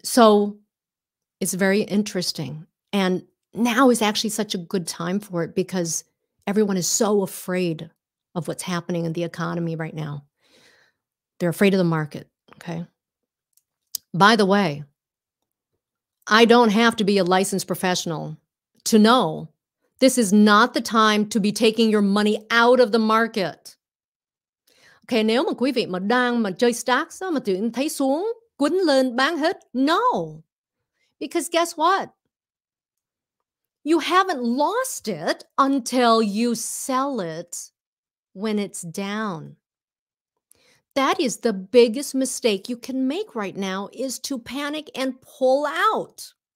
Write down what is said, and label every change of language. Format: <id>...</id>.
<en>So it's very interesting. And now is actually such a good time for it because everyone is so afraid of what's happening in the economy right now. They're afraid of the market, okay? By the way, I don't have to be a licensed professional to know this is not the time to be taking your money out of the market.</en> <vi>Okay, nếu mà quý vị mà đang mà chơi stocks mà tự nhiên thấy xuống, quấn lên bán hết,</vi> <en>no. Because guess what? You haven't lost it until you sell it when it's down. That is the biggest mistake you can make right now is to panic and pull out.</en>